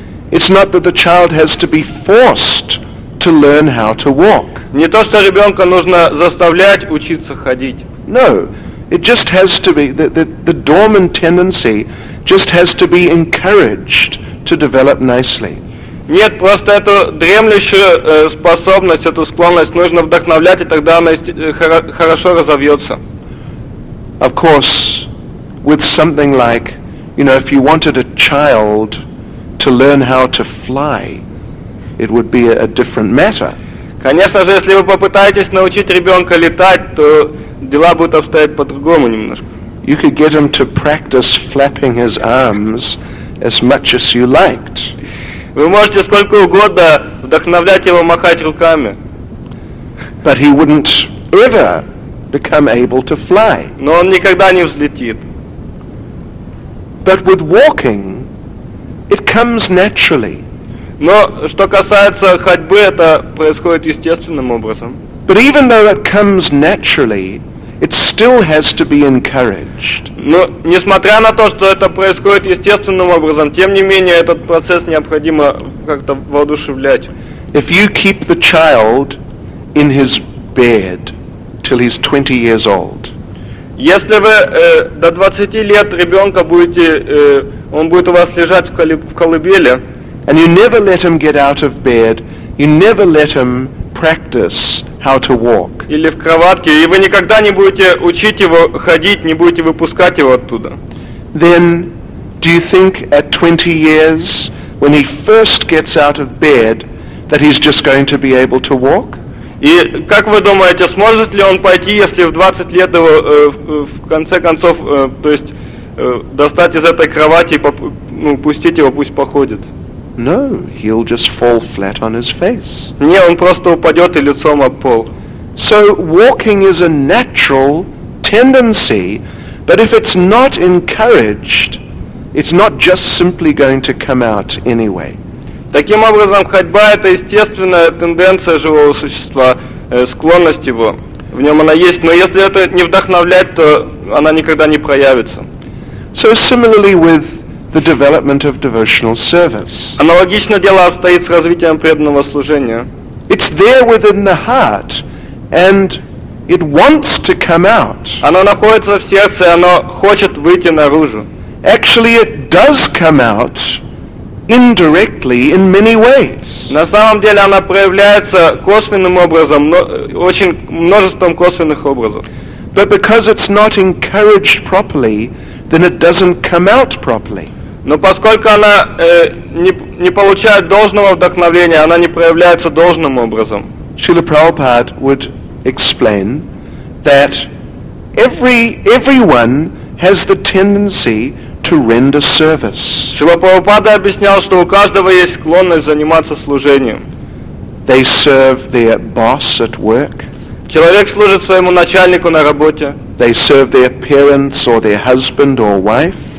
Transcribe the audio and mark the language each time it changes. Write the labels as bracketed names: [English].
[English] It's not that the child has to be forced to learn how to walk. [Russian] Не то, что ребенка нужно заставлять учиться ходить. [English] No, it just has to be the dormant tendency just has to be encouraged to develop nicely. [Russian] Нет, просто эту дремлющую способность, эту склонность нужно вдохновлять, и тогда она хорошо разовьется. [English] Of course, with something like, you know, if you wanted a child to learn how to fly, it would be a different matter. [Russian] Конечно же, если вы попытаетесь научить ребенка летать, то дела будут обстоять по-другому немножко. [English] You could get him to practice flapping his arms as much as you liked. [Russian] Вы можете сколько угодно вдохновлять его махать руками. [English] But he wouldn't ever become able to fly. [Russian] Но он никогда не взлетит. [English] But with walking, it comes naturally. [Russian] Но что касается ходьбы, это происходит естественным образом. [English] But even though it comes naturally, it still has to be encouraged. [Russian] Но несмотря на то, что это происходит естественным образом, тем не менее этот процесс необходимо как-то воодушевлять. [English] If you keep the child in his bed till he's 20 years old. [Russian] Если вы до 20 лет ребёнка будете он будет у вас лежать в колыбели. [English] And you never let him get out of bed, you never let him practice how to walk. [Russian] Или в кроватке, и вы никогда не будете учить его ходить, не будете выпускать его оттуда. [English] Then do you think at 20 years when he first gets out of bed that he's just going to be able to walk? [Russian] И как вы думаете, сможет ли он пойти, если в 20 лет его в конце концов, то есть достать из этой кровати и пустить его, пусть походит? [English] No, he'll just fall flat on his face. [Russian] Не, он просто упадёт и лицом об пол. [English] So walking is a natural tendency, but if it's not encouraged, it's not just simply going to come out anyway. [Russian] Таким образом, ходьба это естественная тенденция живого существа, склонность его. В нём она есть, но если это не вдохновлять, то она никогда не проявится. [English] So similarly with the development of devotional service. [Russian] Аналогично дело обстоит с развитием преданного служения. [English] It's there within the heart and it wants to come out. [Russian] Оно находится в сердце, оно хочет выйти наружу. [English] Actually it does come out indirectly in many ways. [Russian] На самом деле оно проявляется косвенным образом, но очень множеством косвенных образов. [English] But because it's not encouraged properly, then it doesn't come out properly. [Russian] Но поскольку она не получает должного вдохновения, она не проявляется должным образом. [English] Шрила Прабхупад would explain that everyone has the tendency to render service. [Russian] Шрила Прабхупада объяснял, что у каждого есть склонность заниматься служением. [English] They serve their boss at work. [Russian] Человек служит своему начальнику на работе. [English] They serve their parents or their husband or wife.